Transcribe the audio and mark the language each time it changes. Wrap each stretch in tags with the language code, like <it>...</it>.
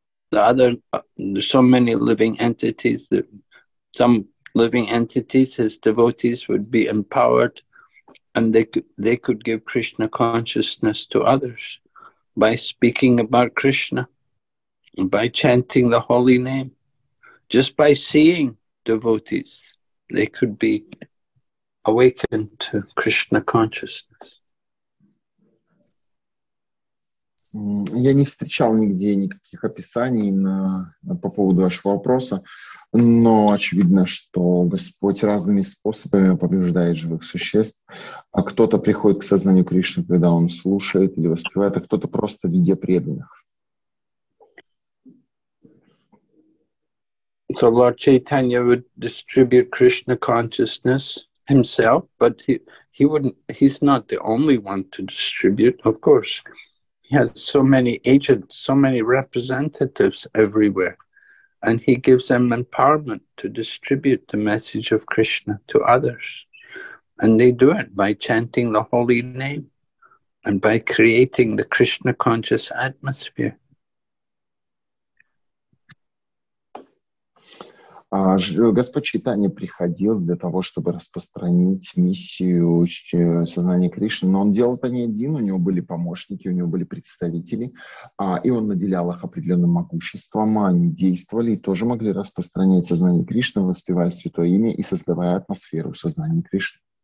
<en>There's so many living entities that some living entities, his devotees, would be empowered, and they could give Krishna consciousness to others by speaking about Krishna, by chanting the holy name, just by seeing devotees, they could be awakened to Krishna consciousness.</en> <ru>Я не встречал нигде никаких описаний по поводу вашего вопроса, но очевидно, что Господь разными способами побеждает живых существ. А кто-то приходит к сознанию Кришны, когда он слушает или воспевает, а кто-то просто в виде преданных.</ru> <en>So Lord Chaitanya would distribute Krishna consciousness himself, but he wouldn't, he's not the only one to distribute, of course. He has so many agents, so many representatives everywhere, and he gives them empowerment to distribute the message of Krishna to others. And they do it by chanting the holy name and by creating the Krishna conscious atmosphere.</en> <ru>Господь Чайтанья приходил для того, чтобы распространить миссию сознания Кришны, но он делал это не один, у него были помощники, у него были представители, и он наделял их определенным могуществом, они действовали и тоже могли распространять сознание Кришны, воспевая святое имя и создавая атмосферу сознания Кришны.</ru>